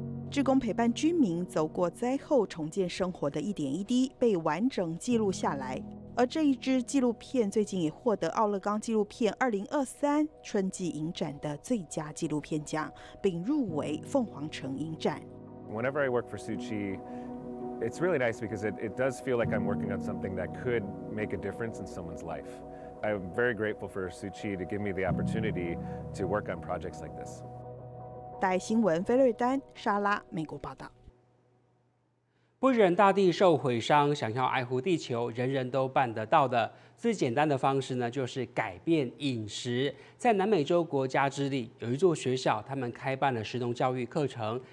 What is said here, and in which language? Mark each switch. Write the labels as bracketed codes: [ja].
[zh] 志工陪伴居民走过灾后重建生活的一点一滴被完整记录下来，而这一支纪录片最近也获得奥勒冈纪录片2023春季影展的最佳纪录片奖，并入围凤凰城影展。 [en] Whenever I work for Suchi, it's really nice because it does feel like I'm working on something that could make a difference in someone's life. I'm very grateful for Suchi to give me the opportunity to work on projects like this. [zh] 大爱新闻，菲瑞丹·沙拉，美国报道。不忍大地受毁伤，想要爱护地球，人人都办得到的。最简单的方式呢，就是改变饮食。在南美洲国家之力，有一座学校，他们开办了食农教育课程。